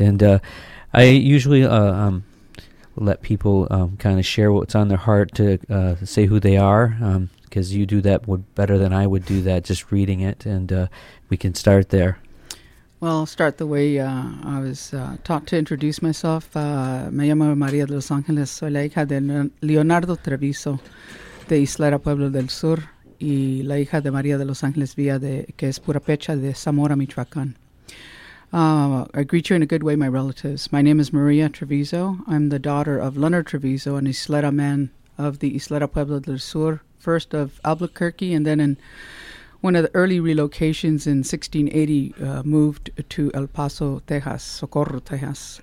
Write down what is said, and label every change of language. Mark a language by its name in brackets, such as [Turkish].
[English] And I usually let people kind of share what's on their heart to say who they are, because you do that better than I would do that, just reading it, and we can start there. Well, I'll start the way I was taught to introduce myself. [Spanish] Me llamo María de los Ángeles. Soy la hija de Leonardo Treviso, de Islera Pueblo del Sur, y la hija de María de los Ángeles Villa, que es Purapecha, de Zamora, Michoacán. [English] I greet you in a good way, my relatives. My name is María Treviso. I'm the daughter of Leonard Treviso, an Islera man of the Islera Pueblo del Sur, first of Albuquerque, and then in one of the early relocations in 1680, moved to El Paso, Texas, Socorro, Texas.